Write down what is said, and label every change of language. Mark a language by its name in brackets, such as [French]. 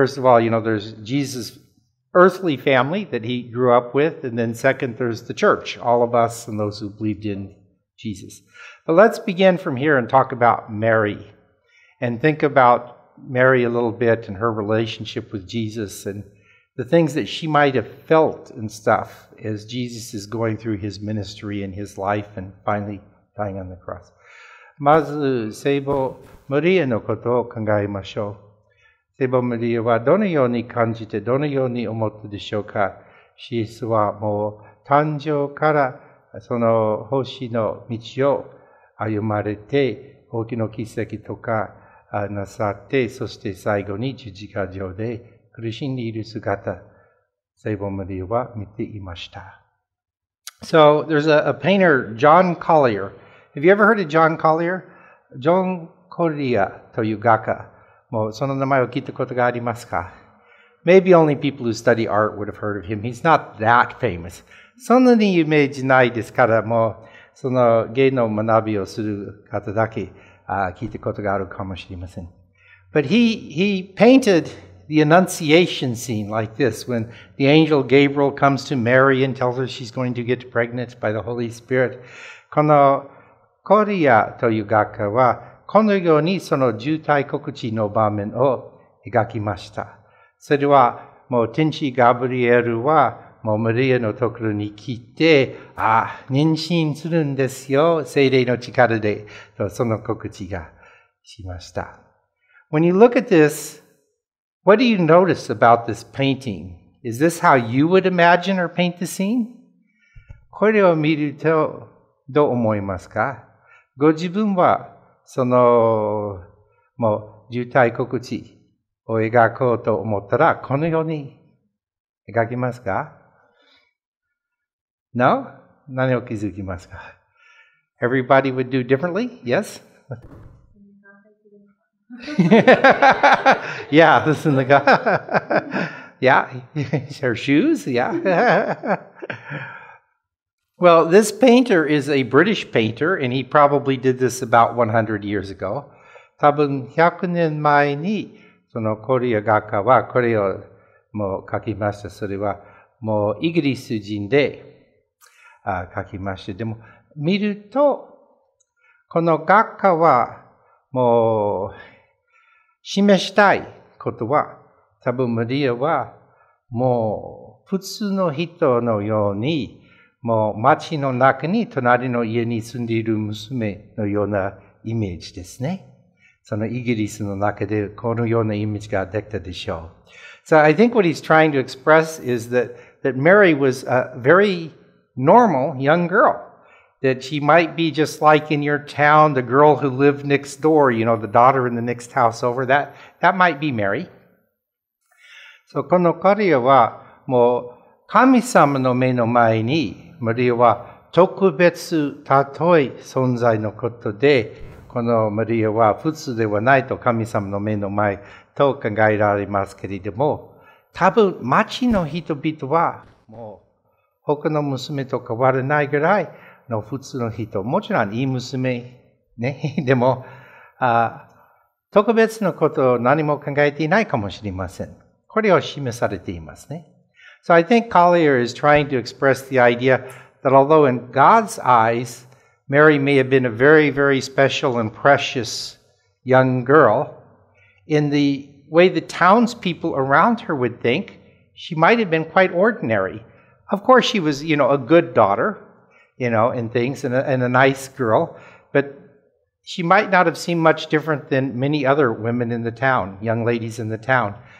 [English] First of all, you know, there's Jesus' earthly family that he grew up with, and then second, there's the church, all of us and those who believed in Jesus. But let's begin from here and talk about Mary, and think about Mary a little bit and her relationship with Jesus andthe things that she might have felt and stuff as Jesus is going through his ministry and his life and finally dying on the cross. [Japanese] まず、聖母マリアのことを考えましょう。聖母マリアはどのように感じて、どのように思ったでしょうか。イエスはもう誕生からその奉仕の道を歩まれて、大きな奇跡とかなさって、そして最後に十字架上で、苦しんでいる姿、聖母マリアは見ていました。 [English] So, there's a painter, John Collier. Have you ever heard of John Collier? [Japanese] John Collier という画家。もうその名前を聞いたことがありますか? [English] Maybe only people who study art would have heard of him. He's not that famous. [Japanese] そんなにイメージないですから、もうその芸の学びをする方だけ聞いたことがあるかもしれません。 [English] But he paintedthe Annunciation scene like this, when the angel Gabriel comes to Mary and tells her she's going to get pregnant by the Holy Spirit. [Japanese] このコリアという画家は、このようにその受胎告知の場面を描きました。それは、もう天使ガブリエルは、もうマリアのところに来て、ああ、妊娠するんですよ、聖霊の力で、とその告知がしました。 [English] When you look at this,What do you notice about this painting? Is this how you would imagine or paint the scene? [Japanese] これを見ると、どう思いますか?ご自分は、その、もう、受胎告知を描こうと思ったら、このように描きますか? [English] No? [Japanese] 何を気づきますか? [English] Everybody would do differently? Yes? yeah, this is the guy. yeah, her shoes, yeah. well, this painter is a British painter, and he probably did this about 100 years ago. [Japanese] 多分100年前に、そのコリア画家はこれをもう描きました。それはもうイギリス人で描きました。でも見ると、この画家はもう、示したいことは、多分マリアはもう普通の人のように、もう町の中に隣の家に住んでいる娘のようなイメージですね。そのイギリスの中でこのようなイメージができたでしょう。 [English] So I think what he's trying to express is that Mary was a very normal young girl. That she might be just like in your town, the girl who lived next door, you know, the daughter in the next house over. That might be Mary. [Japanese] So, このコリアは、もう、神様の目の前に、マリアは特別、たとえ存在のことで、このマリアは普通ではないと神様の目の前と考えられますけれども、多分、町の人々は、もう、他の娘と変わらないぐらい、の普通の人、もちろんいい娘ね、でも特別のことを何も考えていないかもしれません。これを示されていますね。 [English] So I think Collier is trying to express the idea that although in God's eyes, Mary may have been a very, very special and precious young girl, in the way the townspeople around her would think, she might have been quite ordinary. Of course, she was, you know, a good daughter, you know, and things, and a nice girl, but she might not have seemed much different than many other women in the town, young ladies in the town.